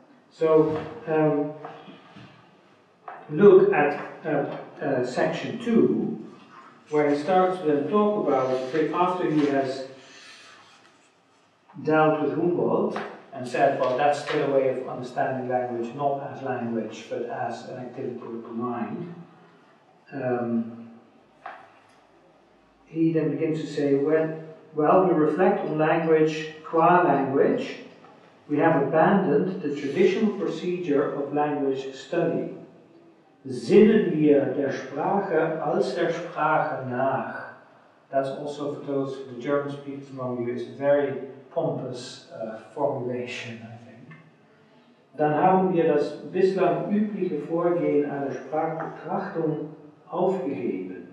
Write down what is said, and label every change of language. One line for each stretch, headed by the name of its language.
English: So, look at section 2, where he starts with a talk about it after he has dealt with Humboldt and said, well, that's still a way of understanding language, not as language, but as an activity of the mind. He then begins to say, well, we reflect on language qua language. We have abandoned the traditional procedure of language study.
German: Sinnen wir der Sprache als der Sprache nach.
English: That's also, for those of the German speakers among you, is a very pompous formulation, I think.
German: Dann haben wir das bislang übliche Vorgehen einer Sprachbetrachtung aufgegeben.